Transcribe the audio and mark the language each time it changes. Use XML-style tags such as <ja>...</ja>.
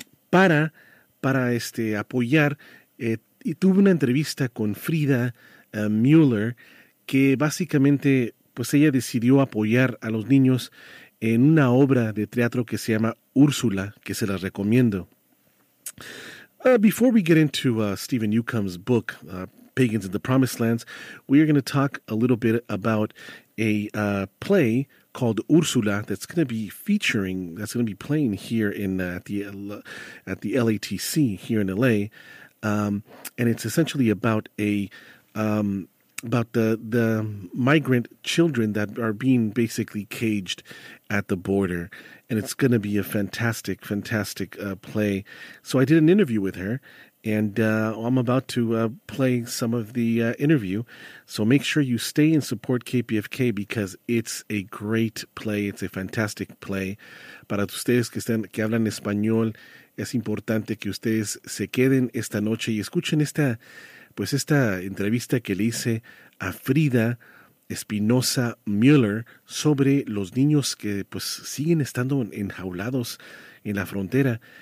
<es>Para apoyar, y tuve una entrevista con Frida Mueller, que básicamente, pues ella decidió apoyar a los niños en una obra de teatro que se llama Úrsula, que se las recomiendo.</es> <en>Before we get into Stephen Newcomb's book, Pagans in the Promised Lands, we are going to talk a little bit about a play called Úrsula that's going to be playing here in at the LATC here in LA. And it's essentially about the migrant children that are being basically caged at the border. And it's going to be a fantastic, fantastic play. So I did an interview with her, and I'm about to play some of the interview. So make sure you stay and support KPFK because it's a great play. It's a fantastic play.</en> <es>Para ustedes que hablan español, es importante que ustedes se queden esta noche y escuchen esta entrevista que le hice a Frida Espinosa Mueller sobre los niños que pues siguen estando enjaulados en la frontera.</es>